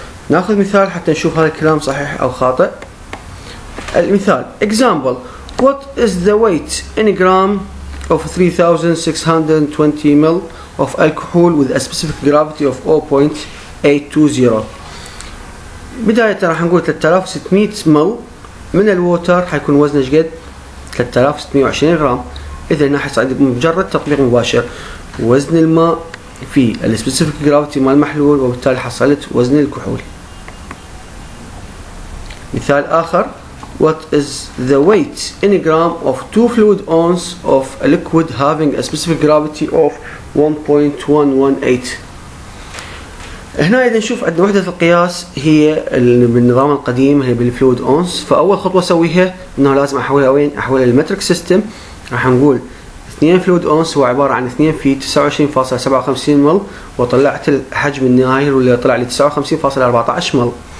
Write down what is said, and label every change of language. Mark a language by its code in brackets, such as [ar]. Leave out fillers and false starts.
[ar] ناخذ مثال حتى نشوف هذا الكلام صحيح او خاطئ. المثال [en] example: what is the weight in gram of 3620 ml of alcohol with a specific gravity of 0.820. [ar] بداية راح نقول 3600 مل من الووتر حيكون وزنه ايش قد؟ 3620 غرام. اذا نحسب بمجرد تطبيق مباشر وزن الماء في specific gravity مال المحلول, وبالتالي حصلت وزن الكحول. مثال اخر: [en] what is the weight in gram of 2 fluid ounces of a liquid having a specific gravity of 1.118. [ar] هنا إذا نشوف عند وحدة القياس هي اللي بالنظام القديم هي بالفلويد أونس. فأول خطوة أسويها إنه لازم أحولها وين؟ أحولها للمتريك سيستم. راح نقول 2 فلويد أونس هو عبارة عن 2 × 29.57 مل، وطلعت الحجم النهائي واللي طلع لي 59.14 مل.